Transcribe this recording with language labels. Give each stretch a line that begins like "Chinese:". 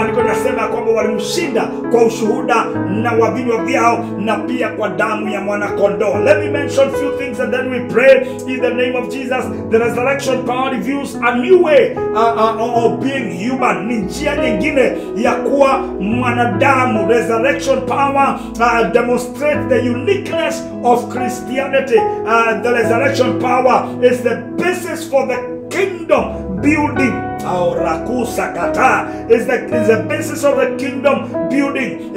Swahili: Maandiko yanasema kwamba walimshinda kwa ushuhuda na wa vinywa vyao, na pia kwa damu ya mwana kondoo.
English: Let me mention few things and then we pray in the name of Jesus. The resurrection power reveals a new way of being human.
Swahili: Ni njia nyingine ya kuwa mwanadamu.
English: Resurrection power demonstrates the uniqueness of Christianity. The resurrection power is the basis for the kingdom building. Is the basis of the kingdom building.